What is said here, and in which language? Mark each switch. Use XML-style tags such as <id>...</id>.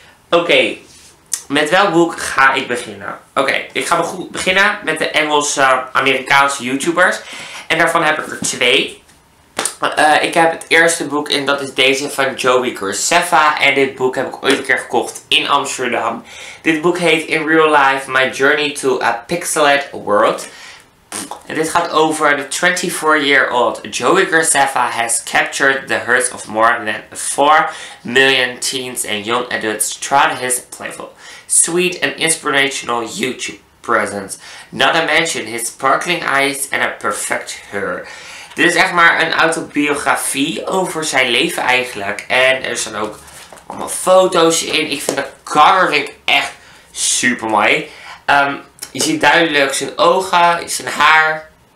<nl>Oké, met welk boek ga ik beginnen? Oké, ik ga beginnen met de Engelse Amerikaanse YouTubers. En daarvan heb ik er twee. Ik heb het eerste boek en dat is deze van Joey Graceffa. En dit boek heb ik ooit een keer gekocht in Amsterdam. Dit boek heet In Real Life, My Journey to a Pixelated World. En dit gaat over de</nl> <en>24-year-old Joey Graceffa has captured the hearts of more than 4 million teens and young adults throughout his playful, sweet and inspirational YouTube presence. Not to mention his sparkling eyes and a perfect hair.</en> <nl>Dit is echt maar een autobiografie over zijn leven eigenlijk. En er staan ook allemaal foto's in. Ik vind de cover echt super mooi. Je ziet duidelijk zijn ogen, zijn haar.</nl>